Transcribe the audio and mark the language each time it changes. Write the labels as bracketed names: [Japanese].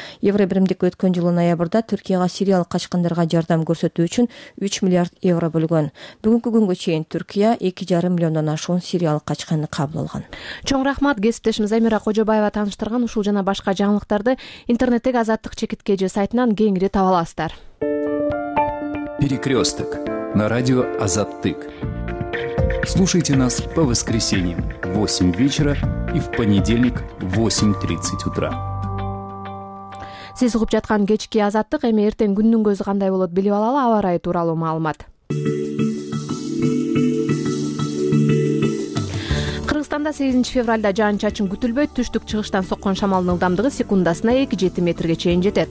[Kyrgyz] Евробиримдик өткөн жылы ноябрда Түркияга сириялык качкындарга жардам көрсөтүү үчүн 3 миллиард евро бөлгөн. Бүгүнкү күнгө чейин Түркия 2,5 миллиондон ашуун сириялык качканды кабыл алган. Чоң рахмат кесиптешибиз Эмира Кожобаева тааныштырган ушул жана башка жаңылыктарды интернеттеги Азаттык чекитке же сайтынан кеңири таба аласыздар. [Russian] Перекрёсток на радио Азаттык. Слушайте нас по воскресеньям в 8 вечера и в понедельник в 8:30 утра. [Kyrgyz] Сиз угуп жаткан кечки Азаттык, эми эртең күндүн көзү кандай болот билип алалы аба ырайы тууралуу маалымат. Кыргызстанда 8 февралда жаан-чачын күтүлбөйт. Түштүк чыгыштан соккон шамалдын ылдамдыгы секундасына 2-7 метрге чейин жетет.